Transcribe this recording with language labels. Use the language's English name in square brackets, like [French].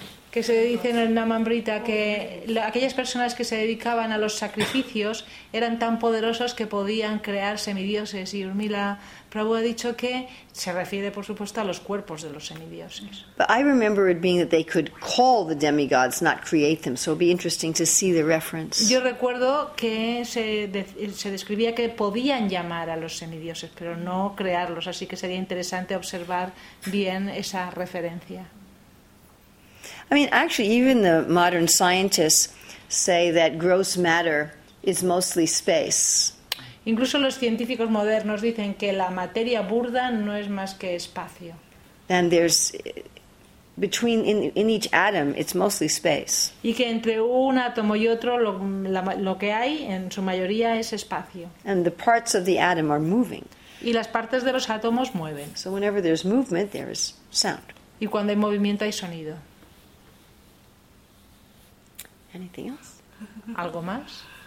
[Spanish] Que se dice en el Namamrita que aquellas personas que se dedicaban a los sacrificios eran tan poderosos que podían crear semidioses. Y Urmila Prabhu ha dicho que se refiere, por supuesto, a los cuerpos de los semidioses. [English] But I remember it being that they could call the demigods, not create them. So it'd be interesting to see the reference. [Spanish] Yo recuerdo que se describía que podían llamar a los semidioses, pero no crearlos. Así que sería interesante observar bien esa referencia. [English] I mean, actually, even the modern scientists say that gross matter is mostly space. [Spanish] Incluso los científicos modernos dicen que la materia burda no es más que espacio. [English] And there's between in each atom, it's mostly space. [Spanish] Y que entre un átomo y otro lo que hay en su mayoría es espacio. [English] And the parts of the atom are moving. [Spanish] Y las partes de los átomos mueven. [English] So whenever there's movement, there is sound. [Spanish] Y cuando hay movimiento hay sonido. [English] Anything else? [Spanish] ¿Algo más?